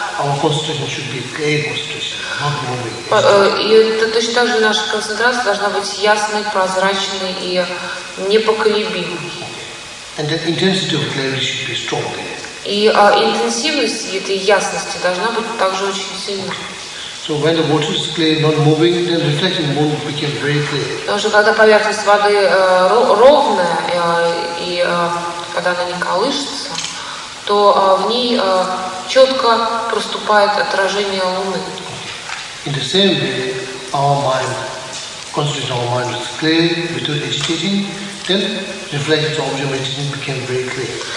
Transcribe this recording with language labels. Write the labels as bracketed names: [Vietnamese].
[English] Our concentration should be clear concentration, not moving. [Russian] И это точно так же наша концентрация должна быть ясной, прозрачной и непоколебимой. [English] And the intensity of clarity should be strong. [Russian] И интенсивность этой ясности должна быть также очень сильной. [English] Okay. So when the water is clear, not moving, then reflection moon became very clear. [Russian] Потому что когда поверхность воды ровная и когда она не колышется, то в ней четко проступает отражение луны. [English] In the same way, our mind, concentration of our mind is clear, without agitating, then reflection of object meditation became very clear.